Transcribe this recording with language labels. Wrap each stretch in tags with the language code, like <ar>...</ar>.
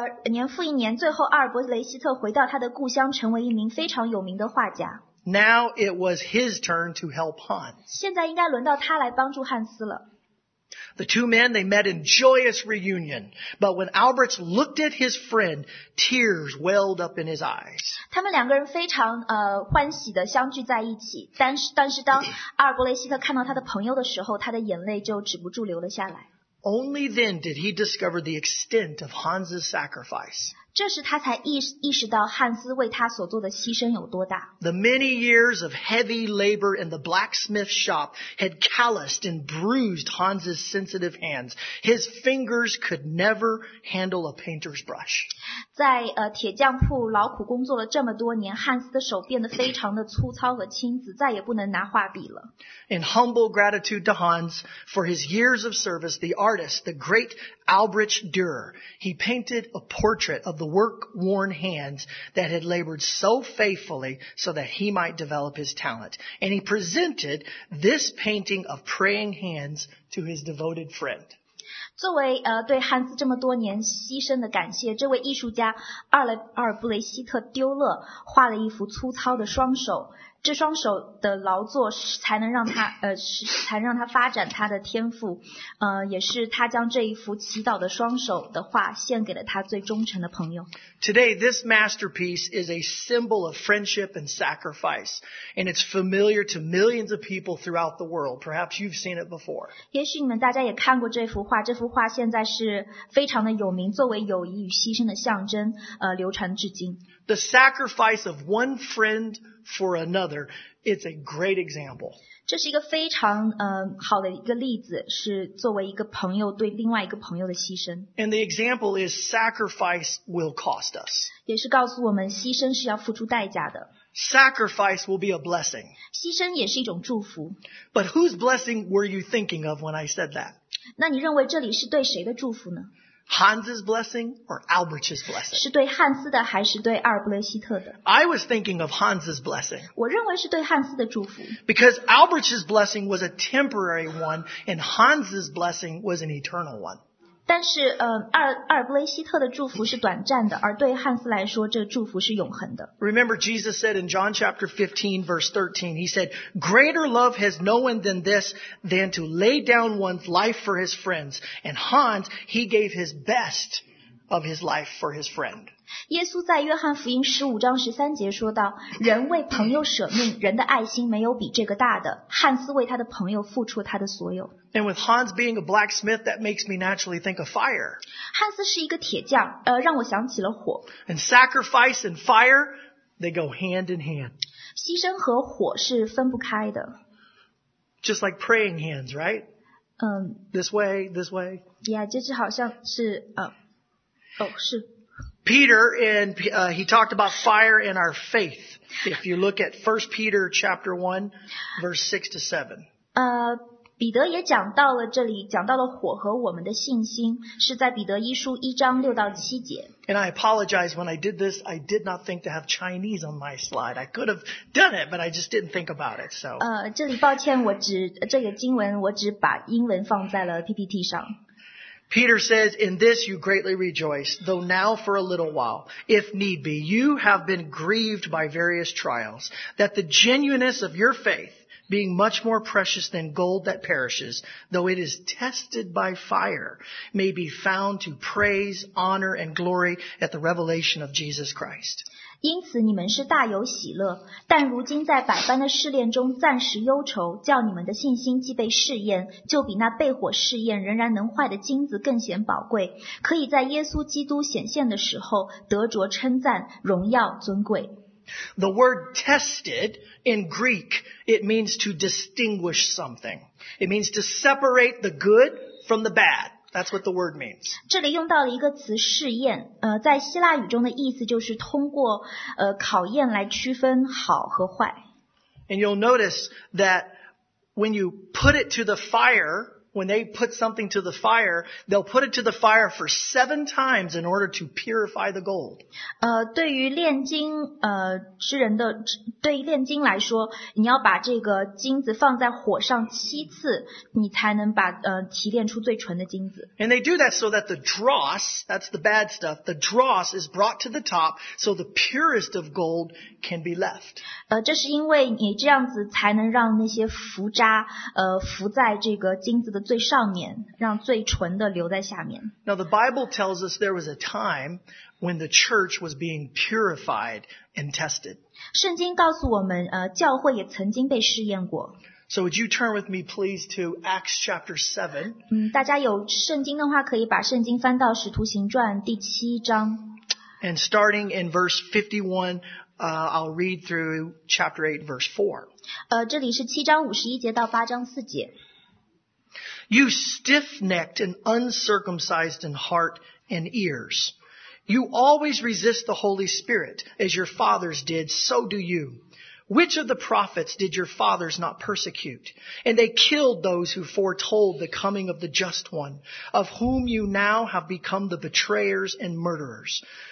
<zh>年复一年，最后阿尔伯雷希特回到他的故乡，成为一名非常有名的画家。</zh> <en>Now it was his turn to help Hans.</en> <zh>现在应该轮到他来帮助汉斯了。</zh> <en>The two men they met in joyous reunion, but when Albrecht looked at his friend, tears welled up in his eyes.</en> <zh>他们两个人非常欢喜的相聚在一起，但是当阿尔伯雷希特看到他的朋友的时候，他的眼泪就止不住流了下来。</zh> <en>Only then did he discover the extent of Hans's sacrifice.</en> <zh>这时他才意识到汉斯为他所做的牺牲有多大。</zh> <en>The many years of heavy labor in the blacksmith shop had calloused and bruised Hans's sensitive hands. His fingers could never handle a painter's brush.</en> <zh>在铁匠铺劳苦工作了这么多年，汉斯的手变得非常的粗糙和青紫，再也不能拿画笔了。</zh> <en>In humble gratitude to Hans for his years of service, the artist, the great Albrecht Dürer, he painted a portrait of the the work-worn hands that had labored so faithfully so that he might develop his talent. And he presented this painting of praying hands to his devoted friend.</en> <zh>作为对汉斯这么多年牺牲的感谢，这位艺术家阿尔布雷希特丢勒画了一幅粗糙的双手，这双手的劳作才能让他发展他的天赋，也是他将这一幅祈祷的双手的画献给了他最忠诚的朋友。</zh> <en>Today, this masterpiece is a symbol of friendship and sacrifice, and it's familiar to millions of people throughout the world. Perhaps you've seen it before.</en> <zh>也许你们大家也看过这幅画，这幅画现在是非常的有名，作为友谊与牺牲的象征，流传至今。</zh> <en>The sacrifice of one friend for another, it's a great example.</en> <zh>这是一个非常好的一个例子，是作为一个朋友对另外一个朋友的牺牲。</zh> <en>And the example is sacrifice will cost us.</en> <zh>也是告诉我们牺牲是要付出代价的。</zh> <en>Sacrifice will be a blessing.</en> <zh>牺牲也是一种祝福。</zh> <en>But whose blessing were you thinking of when I said that?</en> <zh>那你认为这里是对谁的祝福呢？</zh> <en>Hans's blessing or Albrecht's blessing?</en> <zh>是对汉斯的还是对阿尔布雷希特的？</zh> <en>I was thinking of Hans's blessing.</en> <zh>我认为是对汉斯的祝福。</zh> <en>Because Albrecht's blessing was a temporary one, and Hans's blessing was an eternal one.</en> <zh>但是阿尔布雷希特的祝福是短暂的，而对汉斯来说，这祝福是永恒的。</zh> <en>Remember Jesus said in John chapter 15, verse 13, he said, Greater love has no one than this, than to lay down one's life for his friends. And Hans, he gave his best of his life for his friend.</en> <zh>耶稣在约翰福音15章13节说道，人为朋友舍命，人的爱心没有比这个大的。汉斯为他的朋友付出他的所有。</zh> <en>And with Hans being a blacksmith, that makes me naturally think of fire.</en> <zh>Hans 是一个铁匠，让我想起了火。</zh> <en>And sacrifice and fire, they go hand in hand.</en> <zh>牺牲和火是分不开的。</zh> <en>Just like praying hands, right? This way, this way.</en> <zh>Yeah, 就是好像是是。</zh> <en>Peter, and he talked about fire in our faith. If you look at 1 Peter chapter 1, verse 6 to 7.</en> <zh>彼得也讲到了这里，讲到了火和我们的信心，是在彼得一书一章六到七节。</zh> <en>And I apologize when I did this, I did not think to have Chinese on my slide. I could have done it, but I just didn't think about it. So.</en> <zh>这里抱歉，这个经文我只把英文放在了 PPT 上。</zh> <en>Peter says, "In this you greatly rejoice, though now for a little while, if need be, you have been grieved by various trials, that the genuineness of your faith." Being much more precious than gold that perishes, though it is tested by fire, may be found to praise, honor, and glory at the revelation of Jesus Christ.</en> <zh>因此你们是大有喜乐，但如今在百般的试炼中暂时忧愁，叫你们的信心既被试验，就比那被火试验仍然能坏的金子更显宝贵，可以在耶稣基督显现的时候得着称赞、荣耀、尊贵。</zh> <en>The word tested in Greek, it means to distinguish something. It means to separate the good from the bad. That's what the word means.</en> <zh>这里用到了一个词试验，在希腊语中的意思就是通过考验来区分好和坏。</zh> <en>And you'll notice that when you put it to the fire, when they put something to the fire, they'll put it to the fire for 7 times in order to purify the gold.</en> <zh>对于炼金之人的对于炼金来说，你要把这个金子放在火上七次，你才能把提炼出最纯的金子。</zh> <en>And they do that so that the dross, that's the bad stuff, the dross is brought to the top so the purest of gold can be left.</en> <zh>这是因为你这样子才能让那些浮渣浮在这个金子的最上面，让最纯的留在下面。</zh> <en>Now the Bible tells us there was a time when the church was being purified and tested.</en> <zh>圣经告诉我们，教会也曾经被试验过。</zh> <en>So would you turn with me, please, to Acts chapter 7?</en> <zh>大家有圣经的话，可以把圣经翻到《使徒行传》第七章。</zh> <en>And starting in verse 51, I'll read through chapter 8, verse 4.</en> <zh>这里是七章五十一节到八章四节。</zh> <en>You stiff-necked and uncircumcised in heart and ears. You always resist the Holy Spirit, as your fathers did, so do you. Which of the prophets did your fathers not persecute? And they killed those who foretold the coming of the Just One, of whom you now have become the betrayers and murderers.</en>